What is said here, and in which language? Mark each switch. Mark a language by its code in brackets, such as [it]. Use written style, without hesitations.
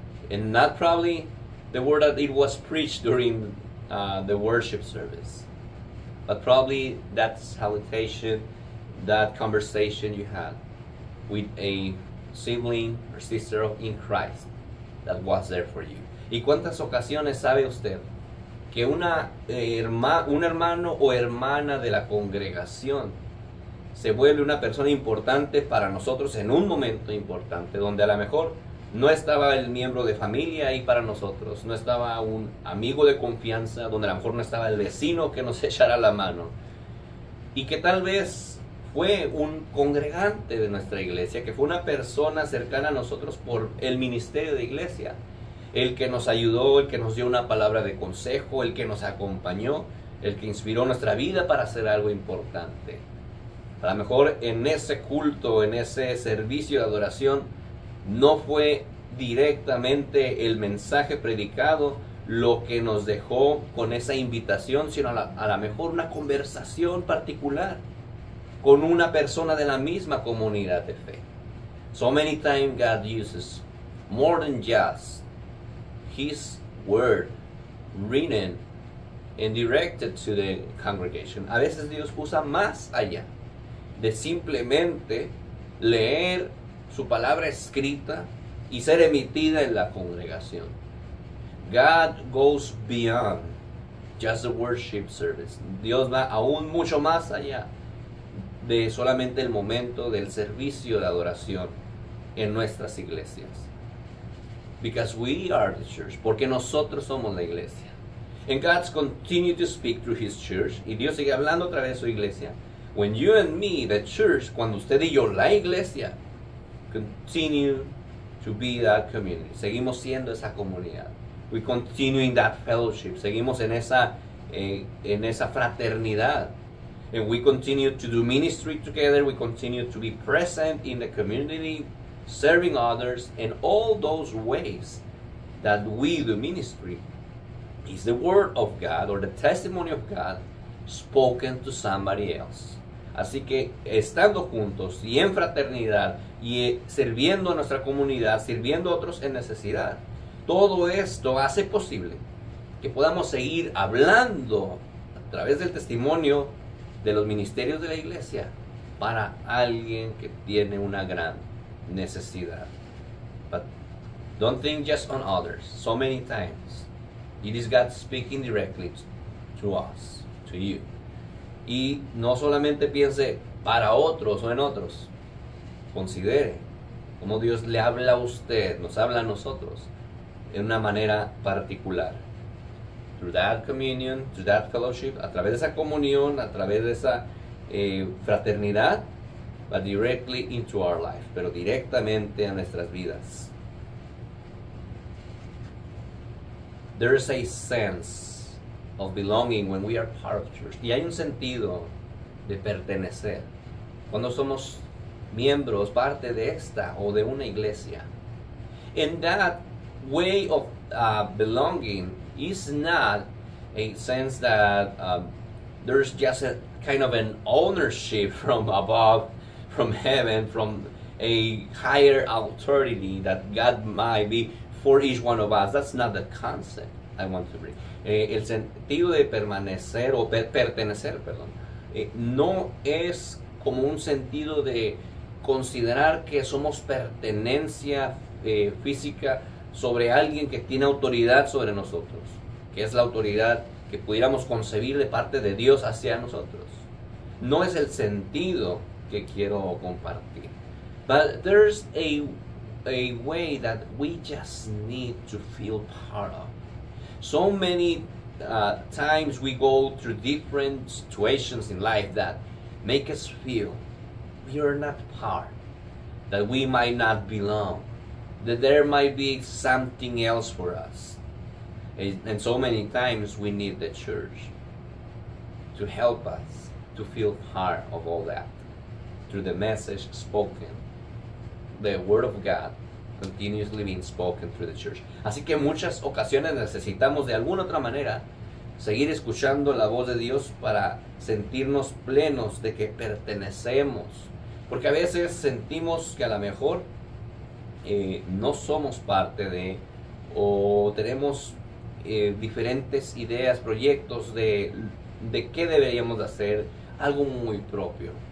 [en] And not probably the word that it was preached during the worship service, but probably that salutation, that conversation you had with a sibling or sister in Christ that was there for you. [es] ¿Y cuántas ocasiones sabe usted que una un hermano o hermana de la congregación se vuelve una persona importante para nosotros en un momento importante donde a lo mejor No estaba el miembro de familia ahí para nosotros, no estaba un amigo de confianza, donde a lo mejor no estaba el vecino que nos echara la mano. Y que tal vez fue un congregante de nuestra iglesia, que fue una persona cercana a nosotros por el ministerio de iglesia, el que nos ayudó, el que nos dio una palabra de consejo, el que nos acompañó, el que inspiró nuestra vida para hacer algo importante. A lo mejor en ese culto, en ese servicio de adoración, no fue directamente el mensaje predicado lo que nos dejó con esa invitación, sino a lo mejor una conversación particular con una persona de la misma comunidad de fe. [en] So many times God uses more than just His word written and directed to the congregation. [es] A veces Dios usa más allá de simplemente leer su palabra escrita y ser emitida en la congregación. [en] God goes beyond just the worship service. [es] Dios va aún mucho más allá de solamente el momento del servicio de adoración en nuestras iglesias. [en] Because we are the church. [es] Porque nosotros somos la iglesia. [en] And God's continued to speak through His church. [es] Y Dios sigue hablando a través de su iglesia. [en] When you and me, the church, [es] cuando usted y yo, la iglesia, [en] continue to be that community. [es] Seguimos siendo esa comunidad. [en] We continue in that fellowship. [es] Seguimos en esa fraternidad. [en] And we continue to do ministry together. We continue to be present in the community, serving others. And all those ways that we do ministry is the word of God or the testimony of God spoken to somebody else. [es] Así que estando juntos y en fraternidad y sirviendo a nuestra comunidad, sirviendo a otros en necesidad, todo esto hace posible que podamos seguir hablando a través del testimonio de los ministerios de la iglesia para alguien que tiene una gran necesidad. [en] But don't think just on others. So many times, it is God speaking directly to us, to you. [es] Y no solamente piense para otros o en otros. Considere cómo Dios le habla a usted, nos habla a nosotros, en una manera particular. [en] Through that communion, through that fellowship, [es] a través de esa comunión, a través de esa fraternidad, [en] but directly into our life, [es] pero directamente a nuestras vidas. [en] There is a sense of belonging when we are part of the church. [es] Y hay un sentido de pertenecer cuando somos miembros, parte de esta o de una iglesia. [en] And that way of belonging is not a sense that there's just a kind of an ownership from above, from heaven, from a higher authority that God might be for each one of us. That's not the concept I want to bring. [es] El sentido de permanecer o pertenecer, no es como un sentido de considerar que somos pertenencia física sobre alguien que tiene autoridad sobre nosotros, que es la autoridad que pudiéramos concebir de parte de Dios hacia nosotros. No es el sentido que quiero compartir. [en] But there's a way that we just need to feel part of. So many times we go through different situations in life that make us feel we are not part, that we might not belong, that there might be something else for us. And so many times we need the church to help us to feel part of all that through the message spoken, the word of God continuously being spoken through the church. [es] Así que muchas ocasiones necesitamos de alguna otra manera seguir escuchando la voz de Dios para sentirnos plenos de que pertenecemos. Porque a veces sentimos que a lo mejor no somos parte de, o tenemos diferentes ideas, proyectos de qué deberíamos de hacer, algo muy propio.